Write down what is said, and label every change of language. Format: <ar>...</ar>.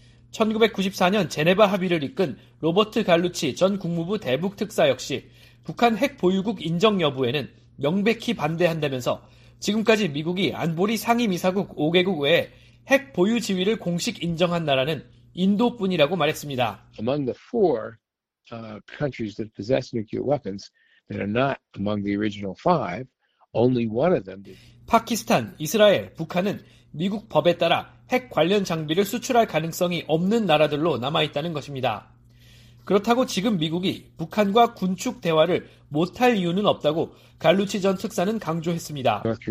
<ko>1994년 제네바 합의를 이끈 로버트 갈루치 전 국무부 대북특사 역시 북한 핵 보유국 인정 여부에는 명백히 반대한다면서 지금까지 미국이 안보리 상임이사국 5개국 외에 핵 보유 지위를 공식 인정한 나라는 인도뿐이라고 말했습니다.</ko> <en>Among the four countries that possess nuclear weapons that are not among the original five, only one of them.</en> <ko>파키스탄, 이스라엘, 북한은 미국 법에 따라 핵 관련 장비를 수출할 가능성이 없는 나라들로 남아있다는 것입니다. 그렇다고 지금 미국이 북한과 군축 대화를 못할 이유는 없다고 갈루치 전 특사는 강조했습니다.</ko>